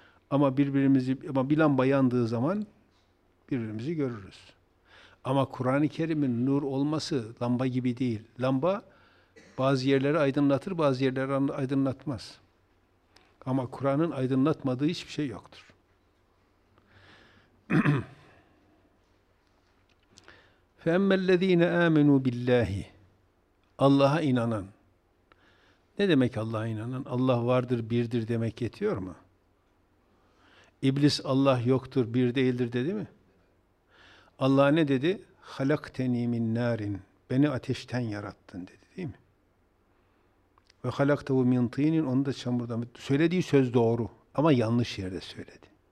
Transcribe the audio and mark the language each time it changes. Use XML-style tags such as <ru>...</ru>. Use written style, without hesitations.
<tr>Ama bir lamba yandığı zaman birbirimizi görürüz. Ama Kur'an-ı Kerim'in nur olması lamba gibi değil. Lamba bazı yerleri aydınlatır, bazı yerleri aydınlatmaz. Ama Kur'an'ın aydınlatmadığı hiçbir şey yoktur.</tr> <ar>فَاَمَّا الَّذ۪ينَ آمَنُوا بِاللّٰهِ</ar> <tr>Allah'a inanan. Ne demek Allah'a inanan? Allah vardır, birdir demek yetiyor mu? İblis Allah yoktur, bir değildir dedi mi? Allah ne dedi?</tr> <ar>Halakteni min narin.</ar> <tr>Beni ateşten yarattın dedi, değil mi?</tr> <ar>Ve halaktehu min tinin.</ar> <tr>Onu da çamurdan. Söylediği söz doğru ama yanlış yerde söyledi.</tr>